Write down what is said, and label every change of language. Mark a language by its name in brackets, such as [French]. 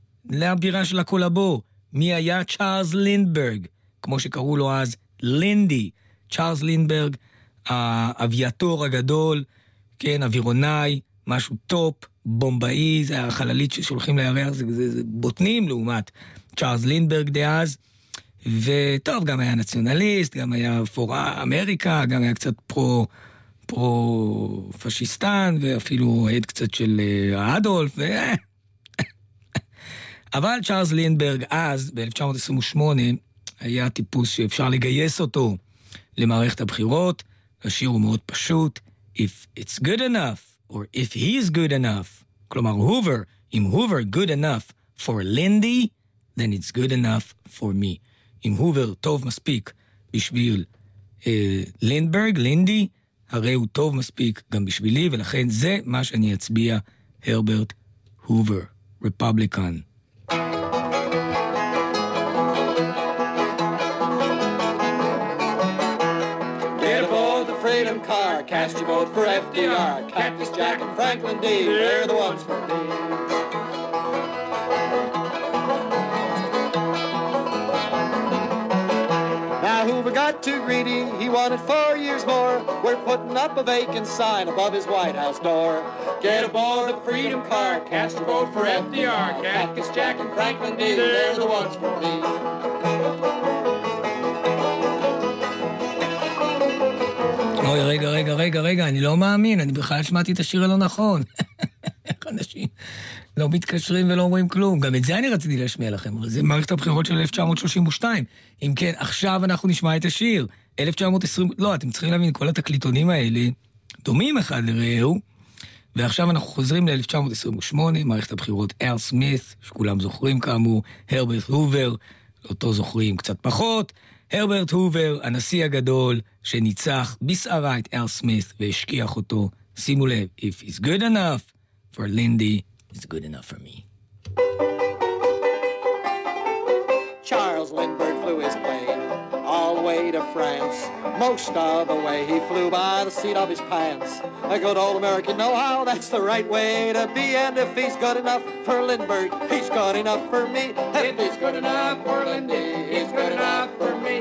[Hebrew] לבירה של הקולבו, מי היה צ'ארלס לינדברג, כמו שקראו לו אז, לינדי, צ'ארלס לינדברג, האביאטור הגדול, כן, אווירונאי, משהו טופ, בומבאי, זה החללית ששולחים לירח, זה בוטנים לעומת צ'ארלס לינדברג דאז, וטוב, גם היה נציונליסט, גם היה פור אמריקה, גם היה קצת פרו... פרו פשיסטן, ואפילו עד קצת של אדולף, ו... אבל צ'ארלס לינדברג אז, ב-1928, היה טיפוס שאפשר לגייס אותו למערכת הבחירות. השיר הוא מאוד פשוט, [English] If it's good enough, or if he's good enough, [Hebrew] כלומר, הובר, אם הובר [English] good enough for לינדי, then it's good enough for me. [Hebrew] אם הובר טוב מספיק בשביל לינדברג, לינדי, הרי הוא טוב מספיק גם בשבילי, ולכן זה מה שאני אצביע, הרברט הובר, רפובליקן. [English] Get aboard the freedom car, cast your vote for FDR, Cactus Jack and Franklin D, they're the ones for me. Now Hoover got too greedy, he wanted 4 years more, we're putting up a vacant sign above his White House door. Get aboard the freedom car, cast your vote for FDR, Cactus Jack and Franklin D, they're the ones for me. [Hebrew] אוי, רגע, רגע, רגע, רגע, אני לא מאמין, אני בכלל שמעתי את השיר הלא נכון. איך אנשים לא מתקשרים ולא אומרים כלום. גם את זה אני רציתי להשמיע לכם, אבל זה מערכת הבחירות של 1932. אם כן, עכשיו אנחנו נשמע את השיר. 1920, לא, אתם צריכים להבין, כל התקליטונים האלה דומים אחד לרעהו, ועכשיו אנחנו חוזרים ל-1928, מערכת הבחירות אל סמית, שכולם זוכרים כאמור, הרברט הובר, אותו זוכרים קצת פחות, הרברט הובר, הנשיא הגדול, שניצח בסערה את אל סמית והשכיח אותו. שימו לב, [English] if he's good enough for Lindy, he's good enough for me. Charles Lindbergh flew his plane all the way to France. Most of the way he flew by the seat of his pants. A good old American know-how, that's the right way to be. And if he's good enough for Lindbergh, he's good enough for me. If he's good enough for Lindy, he's good enough for me.